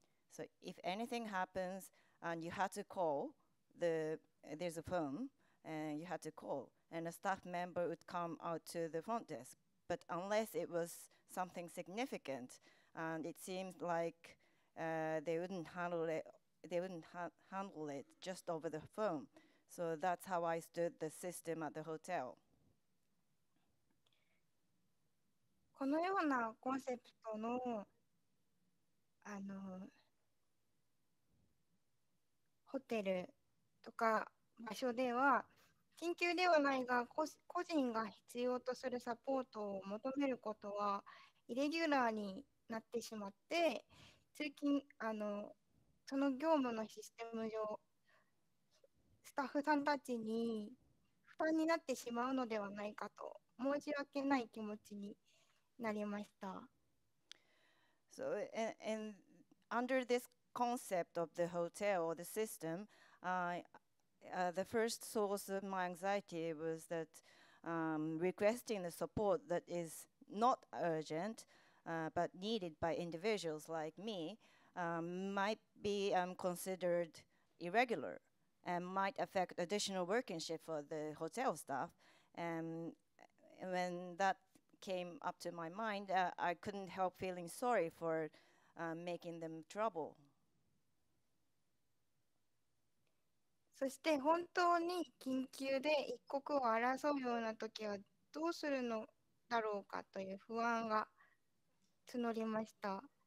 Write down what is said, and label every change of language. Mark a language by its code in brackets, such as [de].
[en] So if anything happens and you had to call, there's a phone and you had to call and a staff member would come out to the front desk. But unless it was something significant and it seemed like they wouldn't handle it just over the phone. So that's how I stood the system at the hotel. [ja] このようなコンセプトの、ホテルとか場所では緊急ではないが個人が必要とするサポートを求めることはイレギュラーになってしまって通勤その業務のシステム上スタッフさんたちに負担になってしまうのではないかと申し訳ない気持ちになりました。 [en] So, and under this concept of the hotel or the system, the first source of my anxiety was that requesting the support that is not urgent but needed by individuals like me might be considered irregular and might affect additional working shift for the hotel staff. And when that came up to my mind, I couldn't help feeling sorry for making them trouble. [ja] そして本当に緊急で一刻を争うような時はどうするのだろうかという不安が募りました。